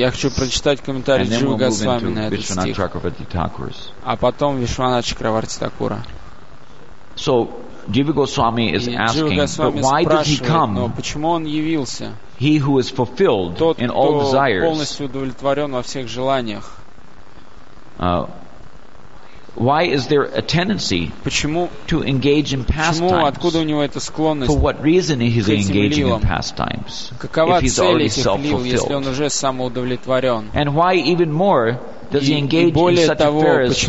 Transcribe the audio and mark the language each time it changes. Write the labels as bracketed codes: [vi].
[ru] Я хочу прочитать комментарий Джива Госвами на этот стих. А потом Вишванатха Чакраварти Такура. [en] So Jiva Goswami is asking, but why did he come? [ru] Но почему он явился? [en] He who is fulfilled [ru] тот, [en] in all desires, [ru] полностью удовлетворен во всех желаниях. [en] why is there a tendency to engage in pastimes? For what reason is he engaging in pastimes? If he's already self-fulfilled. And why even more does he engage in such affairs